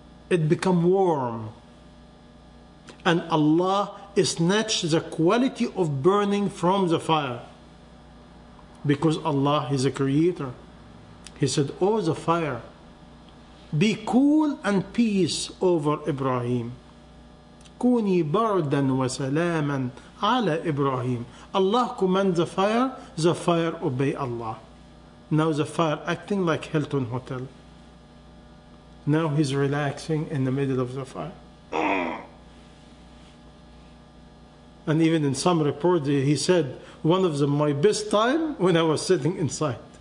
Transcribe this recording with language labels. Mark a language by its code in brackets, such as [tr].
[en] It become warm. And Allah snatched the quality of burning from the fire. Because Allah is a creator. He said, oh, the fire, be cool and peace over Ibrahim. [ar] كوني باردا وسلاما على إبراهيم. [en] Allah command the fire obey Allah. Now the fire acting like Hilton Hotel. Now he's relaxing in the middle of the fire. And even in some reports he said, one of the my best time when I was sitting inside.